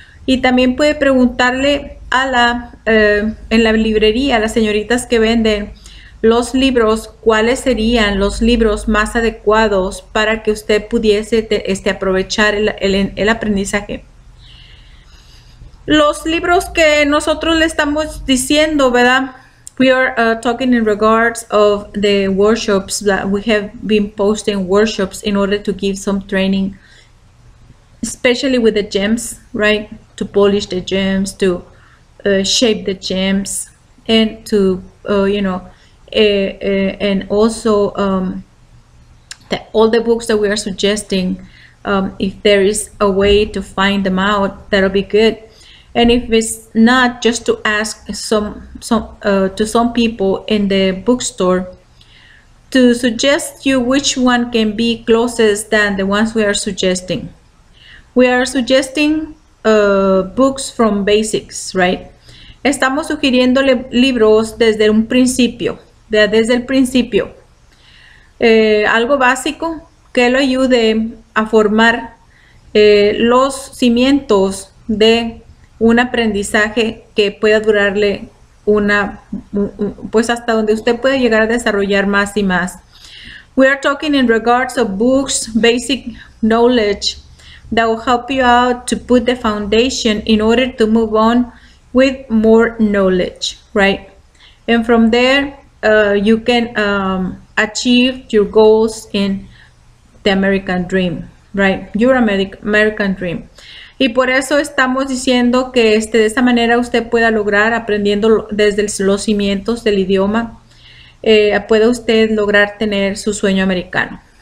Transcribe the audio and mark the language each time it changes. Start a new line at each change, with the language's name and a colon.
Spanish: Y también puede preguntarle a la, en la librería, a las señoritas que venden los libros, cuáles serían los libros más adecuados para que usted pudiese aprovechar el aprendizaje. Los libros que nosotros le estamos diciendo, ¿verdad?
English: We are talking in regards of the workshops that we have been posting workshops in order to give some training, especially with the gems, right? To polish the gems, to shape the gems, and to, you know, and also all the books that we are suggesting, if there is a way to find them out, that'll be good. And if it's not, just to ask some people in the bookstore to suggest you which one can be closest than the ones we are suggesting. We are suggesting books from basics, right?
Spanish: Estamos sugiriéndole libros desde un principio, desde el principio. Algo básico que lo ayude a formar los cimientos de un aprendizaje que pueda durarle una, pues hasta donde usted puede llegar a desarrollar más y más.
English: We are talking in regards of books, basic knowledge that will help you out to put the foundation in order to move on with more knowledge, right? And from there, you can achieve your goals in the American dream, right? Your American dream.
Spanish: Y por eso estamos diciendo que de esa manera usted pueda lograr, aprendiendo desde los cimientos del idioma, puede usted lograr tener su sueño americano.